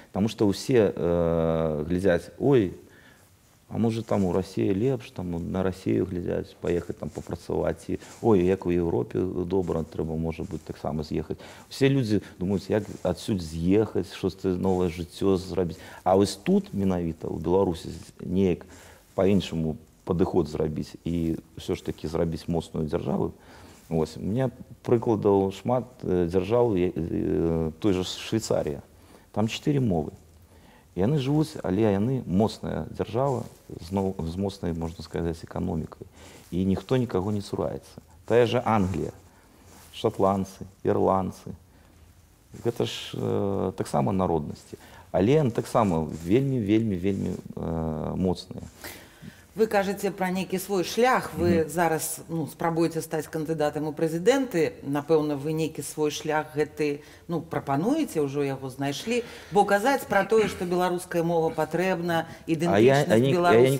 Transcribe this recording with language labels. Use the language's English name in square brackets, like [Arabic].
[Ukrainian] Тому що усі глядять: «Ой, а може там у Росії лепш, там на Росію глядять, поїхати там попрацювати. Ой, як у Європі добре, треба, може бути, так само з'їхати». Всі люди думають, як відсюди з'їхати, що це нове життя зробити. А ось тут, [Belarusian] менавіта, у Білорусі, ніяк по-іншому падыход зрабіць і ўсё ж такі зрабіць моцную дзяржаву. Ось, у мяне прыкладаў шмат дзяржаў, той же Швейцария. Там 4 мовы. І яны жывуць, але яны моцная дзяржава з моцнай, можна сказаць, эканомікай. І ніхто нікаго не цураецца. Тая же Англія, шатландцы, ірландцы. Гэта ж таксама народнасці. Але яны таксама вельмі моцныя. Вы кажаце пра нейкі свой шлях, вы зараз спрабуеце стаць кандыдатам у прэзідэнты, напэўна, вы нейкі свой шлях гэты прапануеце, ўжо яго знайшлі, бо казаць пра тое, што беларуская мова патрэбна, ідэнтычнасць беларусам патрэбна.